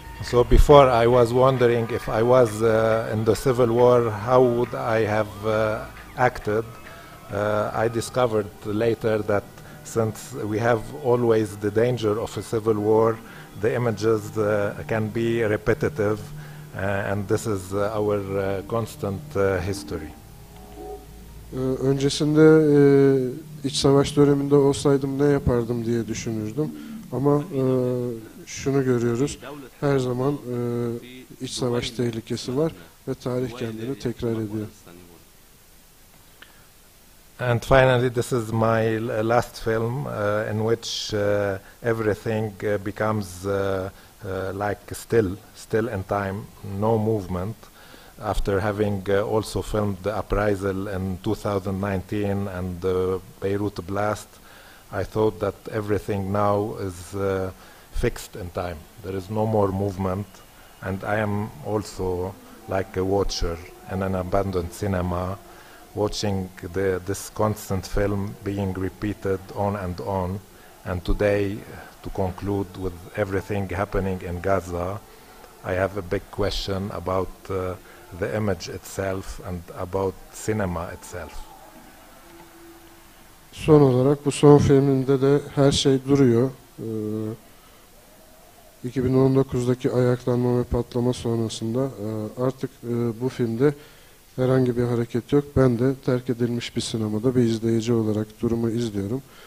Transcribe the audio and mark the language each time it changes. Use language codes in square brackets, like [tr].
[en] So before I was wondering if I was in the civil war, how would I have acted? I discovered later that since we have always the danger of a civil war, the images can be repetitive, and this is our constant history. [tr] Öncesinde iç savaş döneminde olsaydım ne yapardım diye düşünürdüm. Ama şunu görüyoruz, her zaman iç savaş tehlikesi var ve tarih kendini tekrar ediyor. [en] And finally, this is my last film in which everything becomes like still in time, no movement, after having also filmed the uprising in 2019 and the Beirut blast. I thought that everything now is fixed in time. There is no more movement, and I am also like a watcher in an abandoned cinema, watching this constant film being repeated on, and today, to conclude with everything happening in Gaza, I have a big question about the image itself and about cinema itself. [tr] Son olarak bu son filminde de her şey duruyor. 2019'daki ayaklanma ve patlama sonrasında artık bu filmde herhangi bir hareket yok. Ben de terk edilmiş bir sinemada bir izleyici olarak durumu izliyorum.